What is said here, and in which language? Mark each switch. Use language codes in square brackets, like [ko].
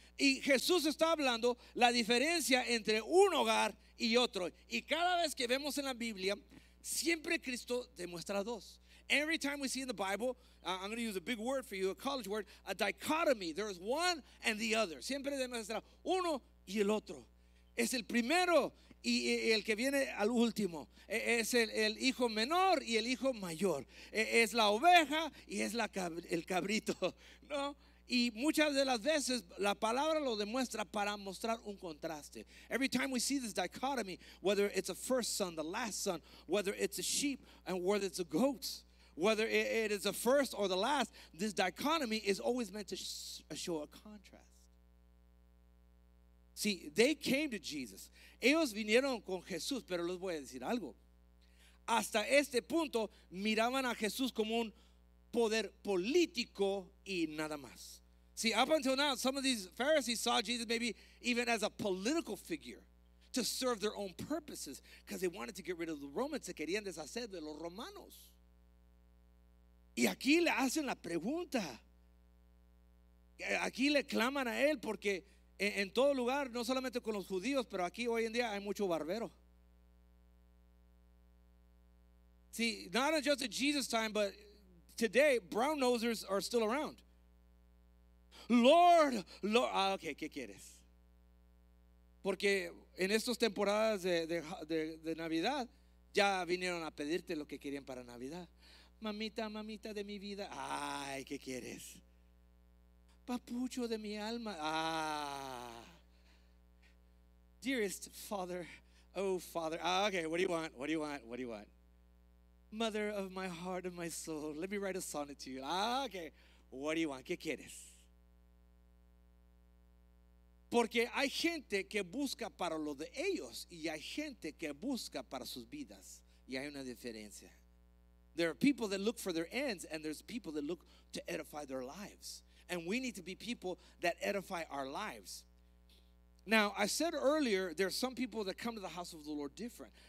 [es] Y Jesús está hablando la diferencia entre un hogar y otro. Y cada vez que vemos en la Biblia, siempre Cristo demuestra dos. [en] Every time we see in the Bible, I'm going to use a big word for you, a college word, a dichotomy. There is one and the other. [es] Siempre demuestra uno y el otro. Es el primero y el que viene al último. Es el hijo menor y el hijo mayor. Es la oveja y es el cabrito, ¿no? Y muchas de las veces la palabra lo demuestra para mostrar un contraste. [en] Every time we see this dichotomy, whether it's a first son, the last son, whether it's a sheep and whether it's a goat, whether it is the first or the last, this dichotomy is always meant to show a contrast. See, they came to Jesus. [es] Ellos vinieron con Jesús, pero les voy a decir algo. Hasta este punto miraban a Jesús como un poder político y nada más. [en] See, up until now, some of these Pharisees saw Jesus maybe even as a political figure to serve their own purposes because they wanted to get rid of the Romans. [es] Se querían deshacer de los romanos. Y aquí le hacen la pregunta. Aquí le claman a él, porque en todo lugar, no solamente con los judíos, pero aquí hoy en día hay mucho barbero. [en] See, not just at Jesus' time, but today, brown nosers are still around. Lord, Lord. Ah, okay, [es] ¿qué quieres? Porque en estas temporadas de Navidad, ya vinieron a pedirte lo que querían para Navidad. Mamita, mamita de mi vida. Ay, ¿qué quieres? Papucho de mi alma. [en] Ah. Dearest Father. Oh, Father. Ah, okay, what do you want? What do you want? What do you want? Mother of my heart and my soul, let me write a sonnet to you. Ah, okay. What do you want? [es] ¿Qué quieres? Porque hay gente que busca para lo de ellos y hay gente que busca para sus vidas. Y hay una diferencia. [en] There are people that look for their ends and there's people that look to edify their lives. And we need to be people that edify our lives. Now, I said earlier, there are some people that come to the house of the Lord different.